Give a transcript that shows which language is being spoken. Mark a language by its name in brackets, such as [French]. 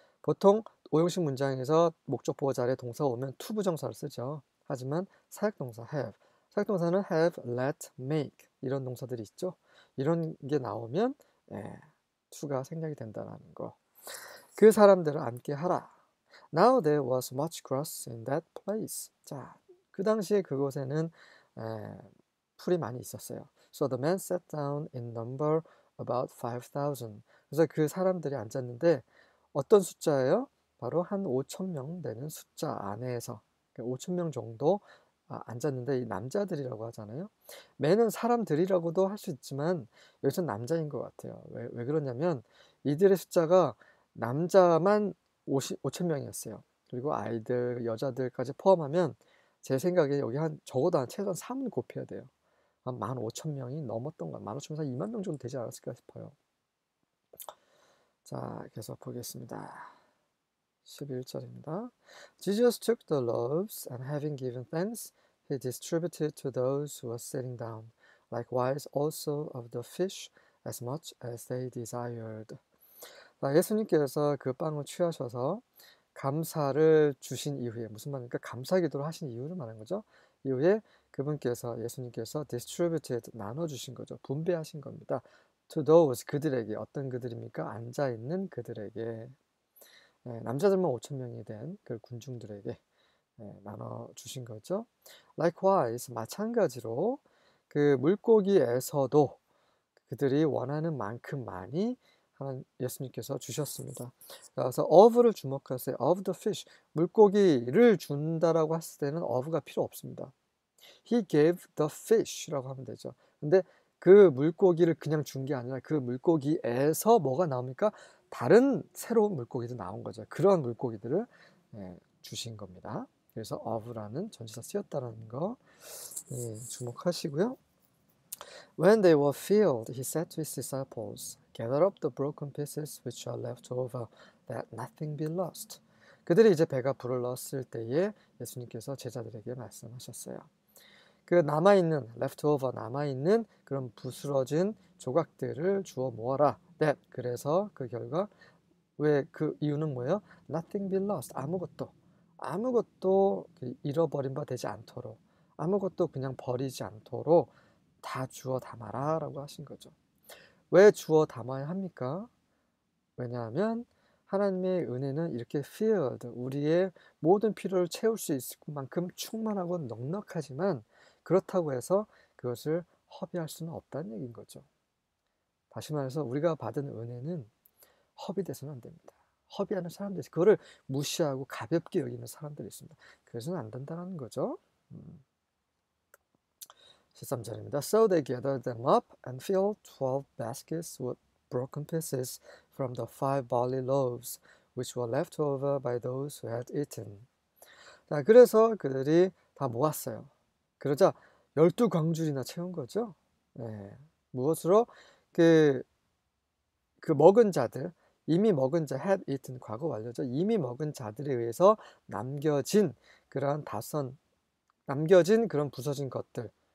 [Korean] 보통 오형식 문장에서 목적보호 자리에 동사 오면 to 부정사를 쓰죠. 하지만 사역동사 have. 사역동사는 have, let, make. 이런 동사들이 있죠. 이런 게 나오면 to가 생략이 된다라는 거. 그 사람들을 앉게 하라. [English] Now there was much grass in that place. [Korean] 자, 그 당시에 그곳에는 풀이 많이 있었어요. [English] So the men sat down in number about 5,000. [Korean] 그래서 그 사람들이 앉았는데 어떤 숫자예요? 바로 한 5,000명 되는 숫자 안에서 5,000명 정도 앉았는데 이 남자들이라고 하잖아요. 매는 사람들이라고도 할수 있지만 여기서 남자인 것 같아요. 왜 그러냐면 이들의 숫자가 남자만 5,000명이었어요. 그리고 아이들, 여자들까지 포함하면 제 생각에 여기 한 적어도 한 최소한 3을 곱해야 돼요. 한 15,000명이 넘었던 것, 15,000에서 2만 명 정도 되지 않았을까 싶어요. 자, 계속 보겠습니다. 11절입니다. [English] Jesus took the loaves and having given thanks, he distributed to those who were sitting down, likewise also of the fish as much as they desired. [Korean] 예수님께서 그 빵을 취하셔서 감사를 주신 이후에, 무슨 말입니까? 감사 기도를 하신 이후를 말하는 거죠. 이후에 그분께서, 예수님께서 distributed, 나눠주신 거죠. 분배하신 겁니다. [English] To those, [Korean] 그들에게. 어떤 그들입니까? 앉아있는 그들에게. 남자들만 5,000명이 된그 군중들에게 나눠주신 거죠. Likewise, 마찬가지로 그 물고기에서도 그들이 원하는 만큼 많이 예수님께서 주셨습니다. 그래서 of를 주목하세요. [English] of the fish. [Korean] 물고기를 준다라고 했을 때는 of가 필요 없습니다. [English] He gave the fish [Korean] 라고 하면 되죠. 근데 그 물고기를 그냥 준게 아니라 그 물고기에서 뭐가 나옵니까? 다른 새로운 물고기도 나온 거죠. 그런 물고기들을 주신 겁니다. 그래서 of라는 전치사 쓰였다는 거 주목하시고요. [English] When they were filled, he said to his disciples, "Gather up the broken pieces which are left over, that nothing be lost." [Korean] 그들이 이제 배가 불렀을 때에 예수님께서 제자들에게 말씀하셨어요. 그 남아있는 leftover 남아있는 그런 부스러진 조각들을 주워 모아라. That 그래서 그 결과 왜그 이유는 뭐예요? [English] Nothing be lost. [Korean] 아무것도 잃어버린 바 되지 않도록 아무것도 그냥 버리지 않도록 다 주워 담아라라고 하신 거죠. 왜 주워 담아야 합니까? 왜냐하면 하나님의 은혜는 이렇게 filled 우리의 모든 필요를 채울 수 있을 만큼 충만하고 넉넉하지만 그렇다고 해서 그것을 허비할 수는 없다는 얘기인 거죠. 다시 말해서 우리가 받은 은혜는 허비돼서는 안 됩니다. 허비하는 사람들이 그거를 무시하고 가볍게 여기는 사람들이 있습니다. 그래서는 안 된다는 거죠. 13절입니다. [English] So they gathered them up and filled 12 baskets with broken pieces from the five barley loaves which were left over by those who had eaten. [Korean] 자, 그래서 그들이 다 모았어요. 그러자 열두 광줄이나 채운 거죠. 네. 무엇으로? 그 먹은 자들, 이미 먹은 자, [English] had eaten [Korean] 과거 완료죠. 이미 먹은 자들에 의해서 남겨진 그러한 다섯, 남겨진 그런 부서진 것들.